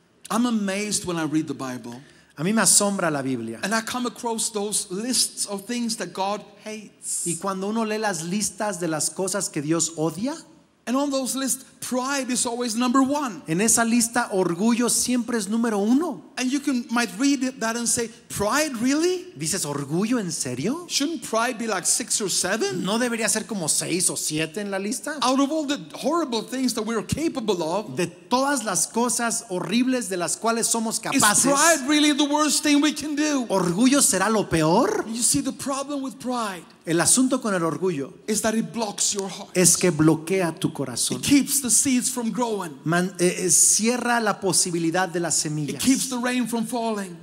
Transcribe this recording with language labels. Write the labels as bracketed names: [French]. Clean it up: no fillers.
[English] I'm amazed when I read the Bible. [Spanish] A mí me asombra la Biblia. [English] And I come across those lists of things that God hates. [Spanish] Y cuando uno lee las listas de las cosas que Dios odia, [English] and on those lists, pride is always number one. [Spanish] En esa lista, orgullo siempre es número uno. [English] And you can might read that and say, pride, really? [Spanish] ¿Dices orgullo en serio? [English] Shouldn't pride be like 6 or 7? [Spanish] ¿No debería ser como 6 o 7 en la lista? [English] Out of all the horrible things that we are capable of, [Spanish] de todas las cosas horribles de las cuales somos capaces, [English] is pride really the worst thing we can do? [Spanish] ¿Orgullo será lo peor? [English] You see, the problem with pride, [Spanish] el asunto con el orgullo, [English] is that it blocks your heart. [Spanish] Es que bloquea tu corazón. [English] It keeps the seeds from growing. [Spanish] Cierra la posibilidad de las semillas. [English] It keeps the rain from falling.